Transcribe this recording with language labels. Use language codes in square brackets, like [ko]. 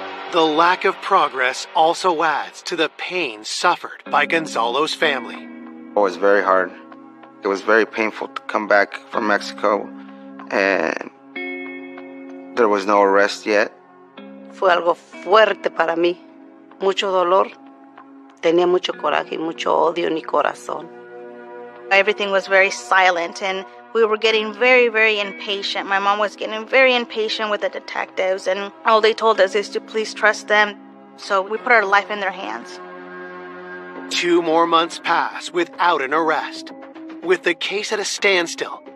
[en] The lack of progress also adds to the pain suffered by Gonzalo's family. It was very hard. It was very painful to come back from Mexico, and there was no arrest yet. [es] Fue algo fuerte para mí. Mucho dolor. Tenía mucho coraje y mucho odio en mi corazón. [en] Everything was very silent, and we were getting very, very impatient. My mom was getting very impatient with the detectives, and all they told us is to please trust them. So we put our life in their hands. 2 more months pass without an arrest. With the case at a standstill,